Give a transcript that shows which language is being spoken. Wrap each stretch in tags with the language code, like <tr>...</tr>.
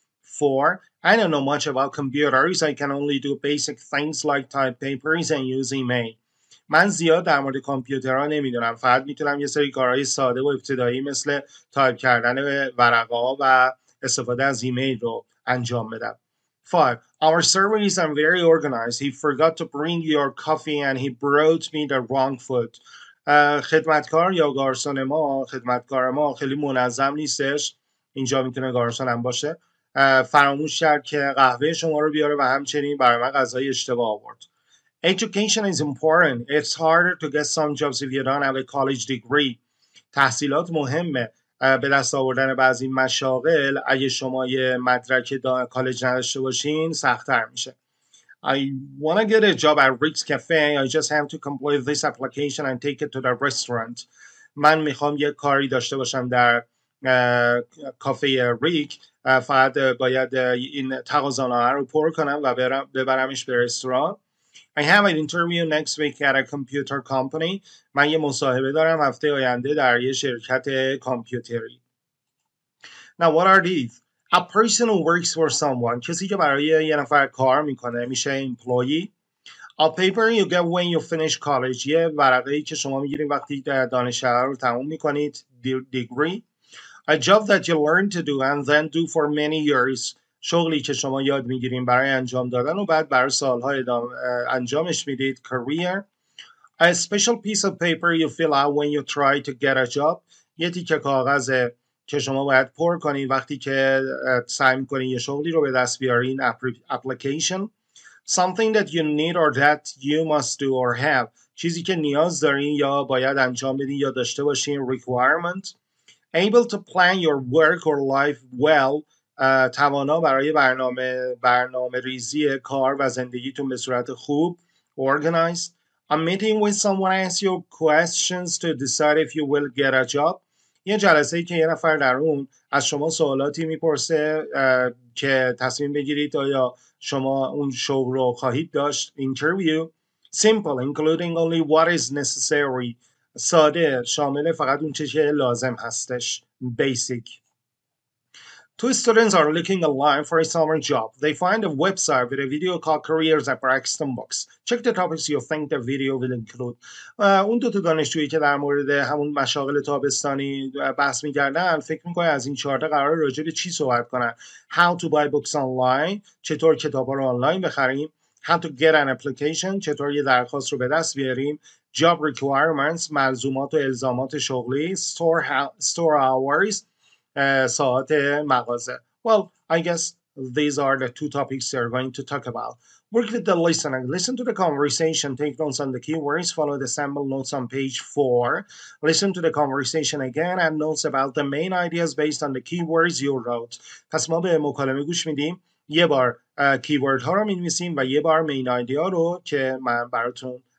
<en>4. I don't know much about computers. I can only do basic things like type papers and use email.</en> <fa>من زیاد در مورد کامپیوترها نمیدونم. فقط میتونم یه سری کارهای ساده و ابتدایی مثل تایپ کردن ورقه ها و استفاده از ایمیل رو انجام بدم.</fa> <en>5. Our surveys are very organized. He forgot to bring your coffee and he brought me the wrong food.</en> <fa>خدمتکار یا گارسون ما، خدمتکار ما خیلی منظم نیستش. اینجا میتونه گارسون هم باشه. فراموش کرد که قهوه شما رو بیاره و همچنین برای من غذای اشتباه آورد.</fa> <en>Education is important. It's harder to get some jobs if you don't have a college degree.</en> <fa>تحصیلات مهمه. به دست آوردن بعضی مشاغل اگه شما یه مدرک کالج نداشته باشین سخت‌تر میشه.</fa> <en>I want to get a job at Rick's Cafe. I just have to complete this application and take it to the restaurant.</en> <fa>من میخوام یه کاری داشته باشم در کافه ریک. فقط باید این تقاضانامه رو پر کنم و ببرمش به رستوران.</fa> <en>I have an interview next week at a computer company.</en> <fa>من یه مصاحبه دارم هفته آینده در یه شرکت کامپیوتری.</fa> <en>Now what are these? A person who works for someone.</en> <fa>کسی که برای یه نفر کار میکنه میشه</fa> <en>employee. A paper you get when you finish college.</en> <fa>یه ورقه ای که شما میگیرید وقتی دانشگاه رو تموم میکنید.</fa> <en>Degree. A job that you learn to do and then do for many years.</en> <fa>شغلی که شما یاد میگیریم برای انجام دادن و بعد برای سالها انجامش میدید.</fa> <en>Career. A special piece of paper you fill out when you try to get a job.</en> <fa>یه تیکه کاغذ که شما باید پر کنید وقتی که سعی میکنید یه شغلی رو به دست بیارین.</fa> <en>Application. Something that you need or that you must do or have.</en> <fa>چیزی که نیاز دارین یا باید انجام بدین یا داشته باشین.</fa> <en>Requirement. Able to plan your work or life well.</en> <fa>توانا برای برنامه ریزی کار و زندگیتون به صورت خوب.</fa> <en>Organized. A meeting with someone asks you questions to decide if you will get a job.</en> <fa>یه جلسه ای که یه نفر در اون از شما سوالاتی میپرسه که تصمیم بگیرید آیا شما اون شغل رو خواهید داشت.</fa> <en>Interview. Simple, including only what is necessary.</en> <fa>ساده، شامل فقط اون چیزی که لازم هستش.</fa> <en>Basic. Two students are looking online for a summer job. They find a website with a video called Careers at Braxton Books. Check the topics you think the video will include.</en> <fa>اون دو تا دانشجویی که در مورد همون مشاغل تابستانی بحث می‌کردن، فکر می‌کنن از این چارت قرار راجع به چی صحبت کنن؟</fa> <en>How to buy books online؟</en> <fa>چطور کتاب‌ها رو آنلاین بخریم؟</fa> <en>How to get an application؟</en> <fa>چطور یه درخواست رو به دست بیاریم؟</fa> <en>Job requirements؟</en> <fa>ملزومات و الزامات شغلی؟ Store hours؟ ساعت مغازه.</fa> <en>Well, I guess these are the two topics they're going to talk about. Work with the listener. Listen to the conversation. Take notes on the keywords. Follow the sample notes on page 4. Listen to the conversation again and notes about the main ideas based on the keywords you wrote.</en> <fa>پس ما به مکالمه گوش میدیم. یه بار keywords ها رو می‌نویسیم و یه بار main idea رو که من براتون.</fa>